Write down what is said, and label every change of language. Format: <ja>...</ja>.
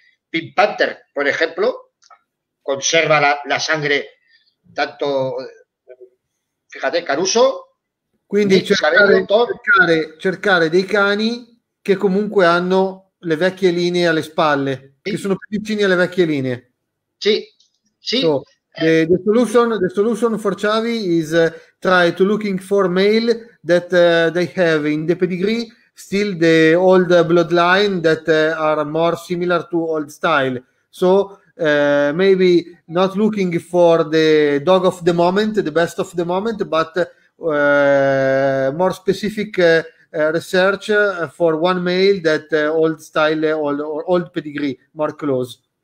<es>Pink Panther, por ejemplo, conserva la sangre tanto. Fíjate, Caruso.</es> <it>Quindi cercare dei cani che comunque hanno le vecchie linee alle spalle, sì, che sono più vicini alle vecchie linee. Sì, sì.</it> <en>So, the solution for Chavi is try to looking for male that they have in the pedigree still the old bloodline that are more similar to old style. So maybe not looking for the dog of the moment, the best of the moment, but more specific research for one male that old style, old pedigree, more close.</en>